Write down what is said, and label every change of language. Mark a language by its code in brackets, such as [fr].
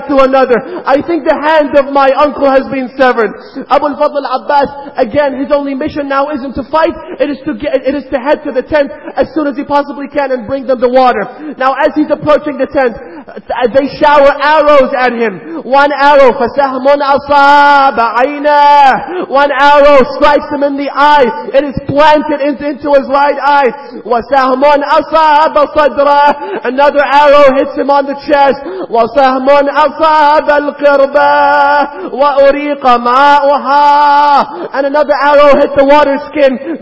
[en] right to another. I think the hand of my uncle has been severed. Abu al-Fadl al-Abbas, again, his only mission now isn't to fight, it is to head to the tent as soon as he possibly can and bring them the water. Now as he's approaching the tent, they shower arrows at him. One arrow, [ar] فَسَهْمٌ أَصَابَ عَيْنَهُ. [en] One arrow strikes him in the eye. It is planted into his right eye. [ar] وَسَهْمٌ أَصَابَ صَدْرَهُ. [en] Another arrow hits him on the chest. [ar] وَسَهْمٌ أَصَابَ الْقِرْبَهُ. وَأُرِيقَ مَاءُهَا. [en] And another arrow hit the water skin.